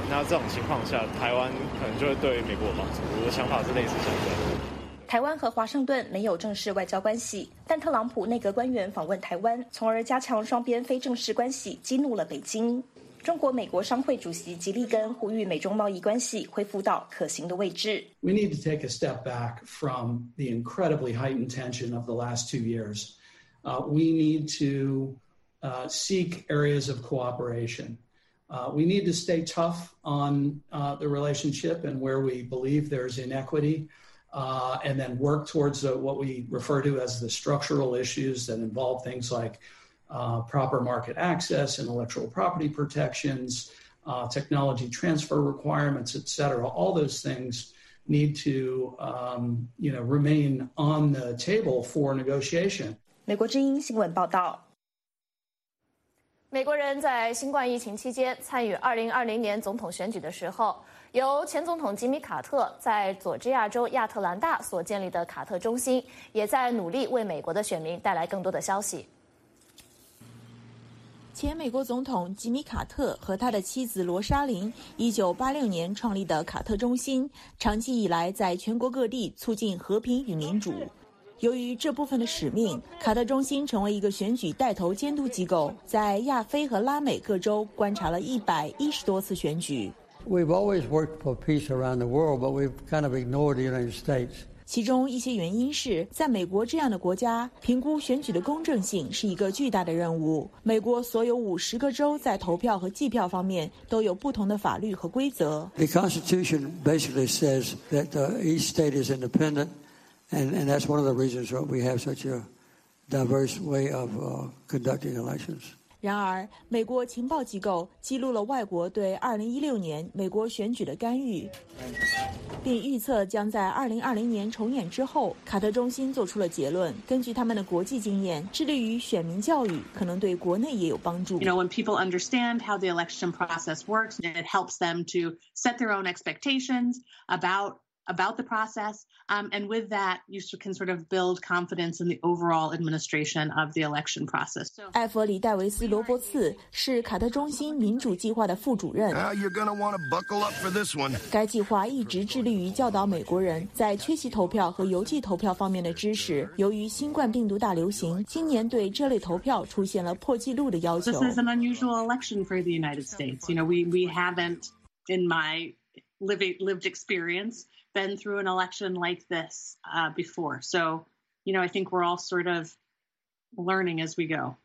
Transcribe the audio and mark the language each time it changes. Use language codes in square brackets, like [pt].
[zh] 那这种情况下，台湾可能就会对美国有帮助。我的想法是类似相关的。台湾和华盛顿没有正式外交关系，但特朗普内阁官员访问台湾，从而加强双边非正式关系，激怒了北京。中国美国商会主席吉利根呼吁美中贸易关系恢复到可行的位置。 [en] We need to take a step back from the incredibly heightened tension of the last 2 years. We need to seek areas of cooperation. We need to stay tough on the relationship and where we believe there's inequity. And then work towards what we refer to as the structural issues that involve things like proper market access, intellectual property protections, technology transfer requirements, et cetera. All those things need to, remain on the table for negotiation. [zh] 美国之音新闻报道。美国人在新冠疫情期间参与2020年总统选举的时候，由前总统吉米·卡特在佐治亚州亚特兰大所建立的卡特中心，也在努力为美国的选民带来更多的消息。前美国总统吉米·卡特和他的妻子罗莎琳1986年创立的卡特中心，长期以来在全国各地促进和平与民主。由于这部分的使命，卡特中心成为一个选举带头监督机构，在亚非和拉美各州观察了110多次选举。 [en] We've always worked for peace around the world, but we've kind of ignored the United States. [zh] 其中一些原因是，在美国这样的国家，评估选举的公正性是一个巨大的任务。美国所有50个州在投票和计票方面都有不同的法律和规则。 [en] The Constitution basically says that each state is independent. And that's one of the reasons why we have such a diverse way of conducting elections. [zh] 然而，美国情报机构记录了外国对2016年美国选举的干预，并预测将在2020年重演之后，卡特中心做出了结论。根据他们的国际经验，致力于选民教育可能对国内也有帮助。 [en] You know, when people understand how the election process works, it helps them to set their own expectations about the process, and with that, you can sort of build confidence in the overall administration of the election process. [zh] 艾弗里·戴维斯·罗伯茨是卡特中心民主计划的副主任。 [en] You're gonna want to buckle up for this one. [zh] 该计划一直致力于教导美国人在缺席投票和邮寄投票方面的知识。由于新冠病毒大流行，今年对这类投票出现了破纪录的要求。 [en] This is an unusual election for the United States. You know, we haven't, in my lived experience. Been through an election like this before. So, you know, I think we're all sort of learning as we go.